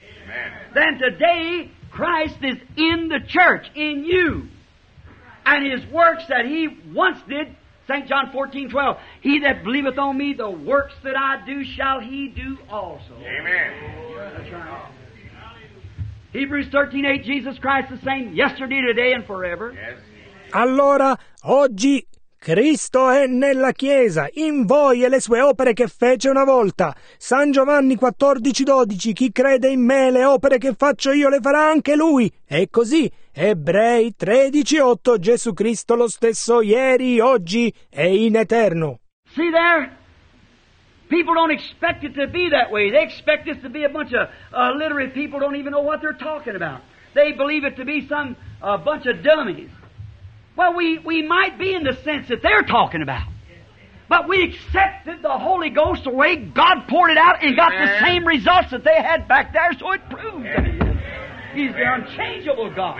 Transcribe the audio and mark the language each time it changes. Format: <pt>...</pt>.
<en>Amen. Then today, Christ is in the church, in you. And His works that He once did, St. John 14:12, He that believeth on Me, the works that I do shall he do also. Amen. Hebrews 13:8, Jesus Christ the same yesterday, today and forever. Yes.</en> <it>Allora, oggi Cristo è nella Chiesa, in voi e le sue opere che fece una volta. San Giovanni 14:12, chi crede in Me, le opere che faccio io le farà anche lui. E così, Ebrei 13:8, Gesù Cristo lo stesso ieri, oggi e in eterno.</it> <en>See there? People don't expect it to be that way. They expect this to be a bunch of illiterate people don't even know what they're talking about. They believe it to be some bunch of dummies. Well, we might be in the sense that they're talking about. But we accepted the Holy Ghost the way God poured it out and got the same results that they had back there, so it proved that He's the unchangeable God.</en>